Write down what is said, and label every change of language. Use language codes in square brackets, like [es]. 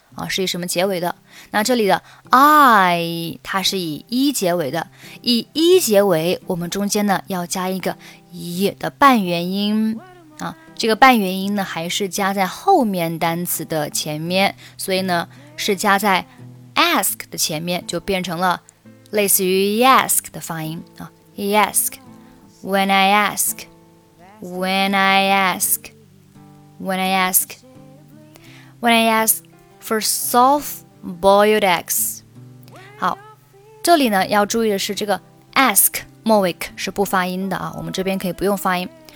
[zh] 啊、是以什么结尾的，那这里的 I 它是以 E 结尾的，以 E 结尾我们中间呢要加一个 E 的半元音、啊、这个半元音呢还是加在后面单词的前面，所以呢是加在 ask 的前面，就变成了类似于 ask 的发音、啊、 [en] ask when I ask when I ask when I ask for soft boiled eggs. [zh] 好，这里呢要注意的是这个 ask 末尾是不发音的啊，我们这边可以不用发音。